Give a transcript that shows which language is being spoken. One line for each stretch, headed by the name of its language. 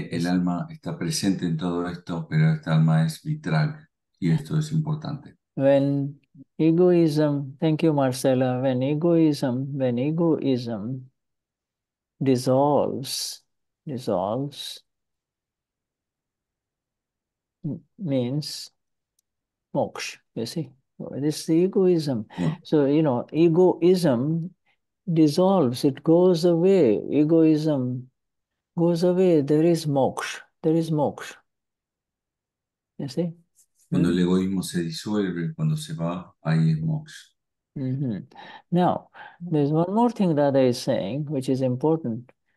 Spanish: El alma está presente en todo esto, pero esta alma es vitrag, y esto es importante.
English: When egoism, thank you, Marcella, when egoism dissolves, means moksha, you see. This is egoism. Yeah. So, you know, egoism dissolves, it goes away. Egoism goes away, there is moksha, you see.
Spanish: Cuando el egoísmo se disuelve, cuando se va, ahí es moksha. Mm-hmm.
English: Now, there's one more thing that I'm saying, which is important.